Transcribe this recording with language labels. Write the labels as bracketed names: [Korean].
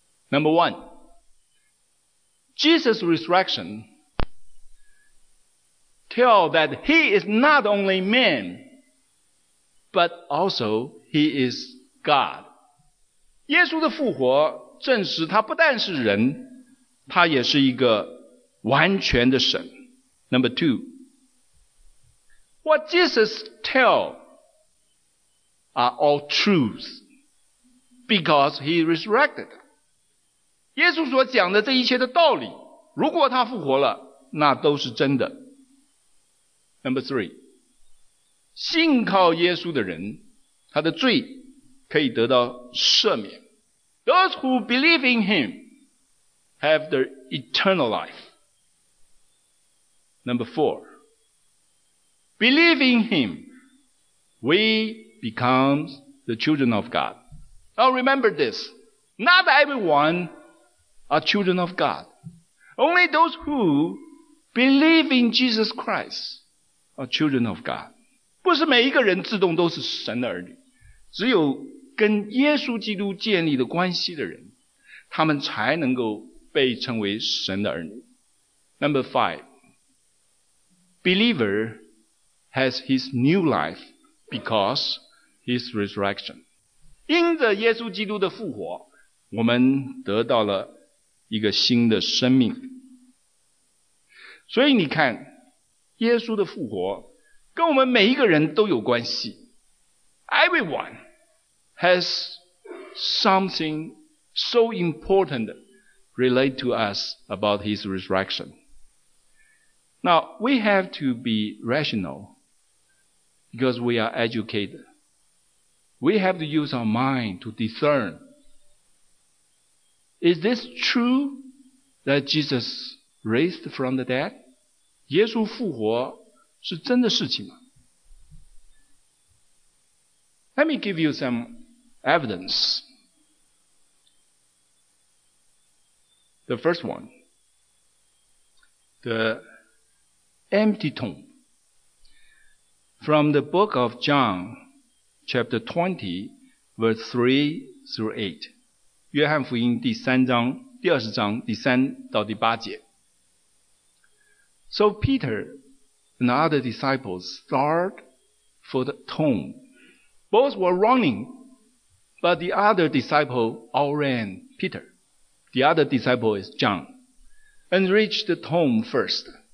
[English] Number one, Jesus' resurrection tell that he is not only man, but also he is God. [Chinese] 耶稣的复活证实他不但是人，他也是一个完全的神。 [English] Number two, what Jesus tell are all truths because he resurrected. [Chinese] 耶稣所讲的这一切的道理，如果他复活了，那都是真的。 [English] Number three, [Chinese] 信靠耶稣的人，他的罪可以得到赦免。 [English] Those who believe in him have their eternal life. Number four, believe in him, we become the children of God. Now remember this, not everyone are children of God. Only those who believe in Jesus Christ are children of God. [Chinese] 不是每一个人自动都是神的儿女，只有跟耶稣基督建立的关系的人，他们才能够被称为神的儿女。 [English] Number five, believer has his new life because his resurrection. [Chinese] 因着耶稣基督的复活，我们得到了一个新的生命。所以你看，耶稣的复活跟我们每一个人都有关系。 [English] Everyone has something so important relate to us about his resurrection. Now, we have to be rational because we are educated. We have to use our mind to discern. Is this true that Jesus raised from the dead? [Chinese] 耶稣复活是真的事情吗？ [English] Let me give you some evidence. The first one, the empty tomb. From the book of John, chapter 20, verse 3-8. [Chinese] 约翰福音第三章，第二十章，第三到第八节。 [English] So Peter and other disciples started for the tomb. Both were running, but the other disciple outran Peter. The other disciple is John, and reached the tomb first.